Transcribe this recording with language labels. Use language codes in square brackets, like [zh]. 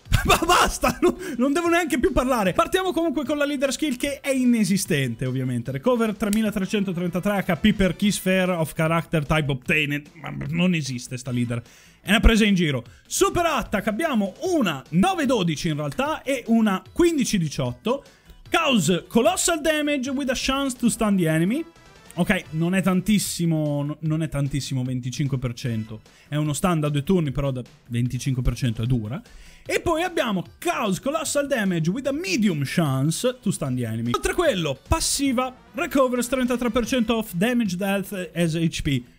[it] Ma basta, non devo neanche più parlare. Partiamo comunque con la leader skill, che è inesistente ovviamente. [en] Recover 3333 HP per key sphere of character type obtained. [it] Ma non esiste sta leader, è una presa in giro. Super attack, abbiamo una 9-12 in realtà e una 15-18. [en] Cause colossal damage with a chance to stun the enemy. [it] Ok, non è tantissimo, non è tantissimo, 25%. È uno stun da due turni, però da 25% è dura. E poi abbiamo [en] cause colossal damage with a medium chance to stun the enemy. [it] Oltre a quello, passiva, [en] recovers 33% of damage dealt as HP.